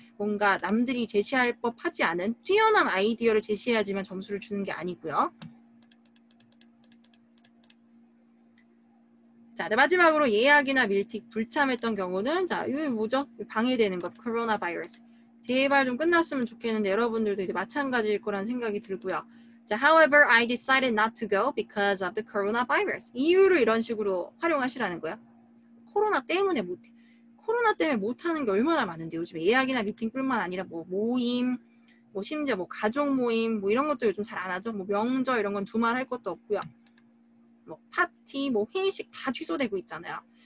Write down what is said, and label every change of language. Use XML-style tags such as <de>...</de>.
<ko>뭔가 남들이 제시할 법하지 않은 뛰어난 아이디어를 제시해야지만 점수를 주는 게 아니고요. 자, 네, 마지막으로 예약이나 밀팅 불참했던 경우는 자, 이게 뭐죠? 방해되는 것, 코로나 바이러스. 제발 좀 끝났으면 좋겠는데 여러분들도 이제 마찬가지일 거라는 생각이 들고요.</ko> <en>자, however, I decided not to go because of the coronavirus.</en> <ko>이유를 이런 식으로 활용하시라는 거야. 코로나 때문에 못, 코로나 때문에 못하는 게 얼마나 많은데 요즘 예약이나 미팅뿐만 아니라 뭐 모임, 뭐 심지어 뭐 가족 모임, 뭐 이런 것도 요즘 잘 안 하죠. 뭐 명절 이런 건 두말할 것도 없고요. 뭐 파티, 뭐 회의식 다 취소되고 있잖아요.</ko>